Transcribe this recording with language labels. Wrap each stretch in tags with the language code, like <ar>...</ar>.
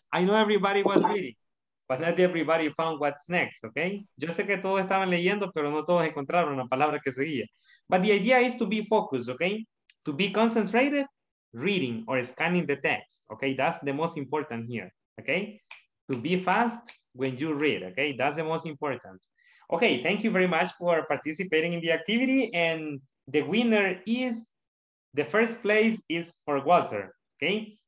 <en>I know everybody was reading, but not everybody found what's next, okay?</en> <es>Yo sé que todos estaban leyendo, pero no todos encontraron la palabra que seguía.</es> <en>But the idea is to be focused, okay? To be concentrated, reading or scanning the text, okay? That's the most important here, okay? To be fast when you read, okay? That's the most important. Okay, thank you very much for participating in the activity, and the winner is, the first place is for Walter, okay?</en>